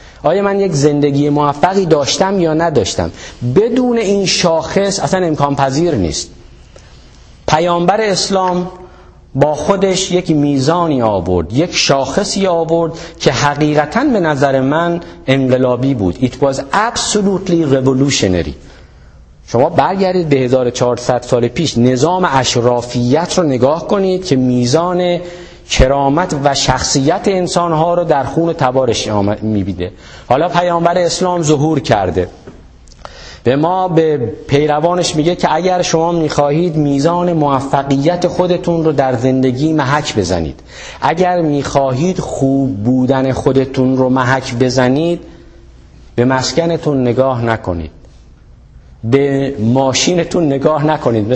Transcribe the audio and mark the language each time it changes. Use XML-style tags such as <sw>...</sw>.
<fa>آیا من یک زندگی موفقی داشتم یا نداشتم؟ بدون این شاخص اصلا امکان پذیر نیست. پیامبر اسلام با خودش یک میزانی آورد، یک شاخصی آورد که حقیقتاً به نظر من انقلابی بود.</fa> <en>It was absolutely revolutionary.</en> <fa>شما برگردید به 1400 سال پیش، نظام اشرافیت رو نگاه کنید که میزان کرامت و شخصیت انسانها رو در خون تبارش میبیده. حالا پیامبر اسلام ظهور کرده، به ما به پیروانش میگه که اگر شما میخواهید میزان موفقیت خودتون رو در زندگی محک بزنید، اگر میخواهید خوب بودن خودتون رو محک بزنید، به مسکنتون نگاه نکنید، به ماشینتون نگاه نکنید.</fa>